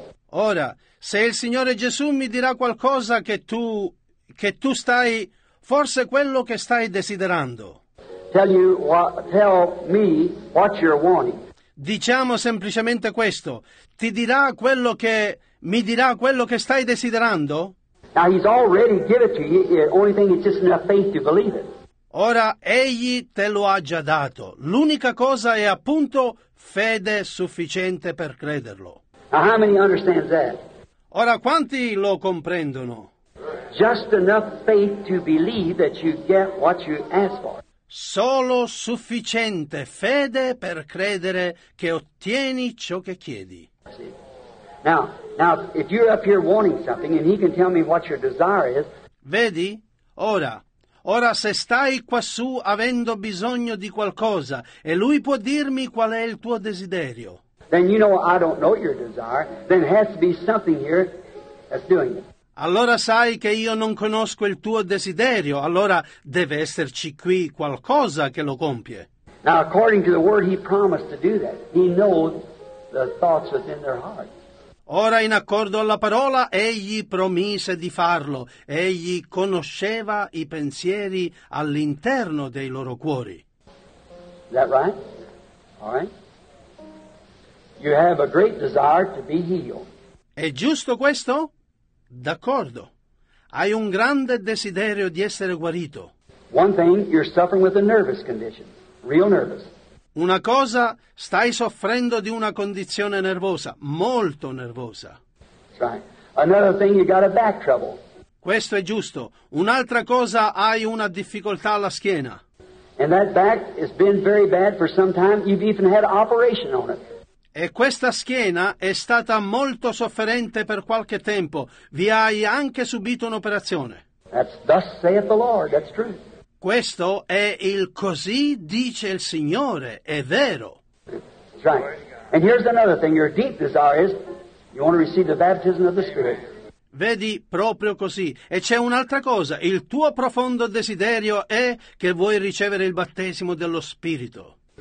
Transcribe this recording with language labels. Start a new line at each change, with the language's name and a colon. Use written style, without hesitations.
Italian: Ora, se il Signore Gesù mi dirà qualcosa che tu stai... Forse quello che stai desiderando.
English: Tell me what you're wanting.
Italian: Diciamo semplicemente questo. Ti dirà quello che... Mi dirà quello che stai desiderando?
English: Now he's already given it to you. The only thing is just enough faith to believe it.
Italian: Ora egli te lo ha già dato. L'unica cosa è appunto fede sufficiente per crederlo.
English: Now how many understand that?
Italian: Ora quanti lo comprendono?
English: Just enough faith to believe that you get what you ask for.
Italian: Solo sufficiente fede per credere che ottieni ciò che chiedi.
English: Now, if you're up here wanting something and he can tell me what your desire is.
Italian: Vedi? Ora, se stai quassù avendo bisogno di qualcosa e lui può dirmi qual è il tuo desiderio.
English: Then you know I don't know your desire. Then it has to be something here that's doing it.
Italian: Allora sai che io non conosco il tuo desiderio. Allora deve esserci qui qualcosa che lo compie.
English: Now, according to the word he promised to do that, he knows the thoughts within their hearts.
Italian: Ora, in accordo alla parola, egli promise di farlo. Egli conosceva i pensieri all'interno dei loro cuori.
English: Is that right? All right. You have a great desire to be healed.
Italian: È giusto questo? D'accordo. Hai un grande desiderio di essere guarito.
English: One thing, you're suffering with a nervous condition. Real nervous.
Italian: Una cosa, stai soffrendo di una condizione nervosa, molto nervosa.
English: That's right. Another thing, you got a back trouble.
Italian: Questo è giusto. Un'altra cosa, hai una difficoltà alla schiena.
English: And that back has been very bad for some time. You've even had operation on it.
Italian: E questa schiena è stata molto sofferente per qualche tempo. Vi hai anche subito un'operazione.
English: That's thus saith the Lord. That's true.
Italian: Questo è il così dice il Signore. È vero.
English: That's right. And here's another thing. Your deep desire is you want to receive the baptism of the Spirit.
Italian: Vedi, proprio così. E c'è un'altra cosa. Il tuo profondo desiderio è che vuoi ricevere il battesimo dello Spirito.